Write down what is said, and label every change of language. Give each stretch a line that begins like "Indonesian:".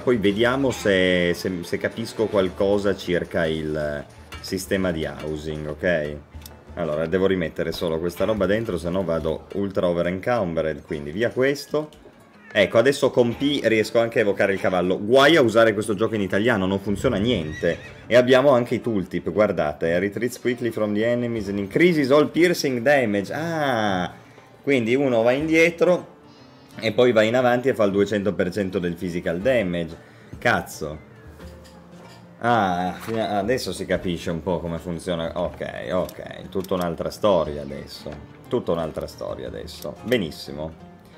Italian: Poi vediamo se capisco qualcosa circa il... sistema di housing, ok? Allora, devo rimettere solo questa roba dentro, sennò vado ultra over encumbered, quindi via questo. Ecco, adesso con P riesco anche a evocare il cavallo. Guai a usare questo gioco in italiano, non funziona niente. E abbiamo anche i tooltip, guardate.
English: Retreats quickly from the enemies and increases all piercing damage. Ah!
Italian: Quindi uno va indietro e poi va in avanti e fa il 200% del physical damage. Cazzo! Ah, adesso si capisce un po' come funziona. Ok, ok, tutta un'altra storia adesso. Tutta un'altra storia adesso. Benissimo.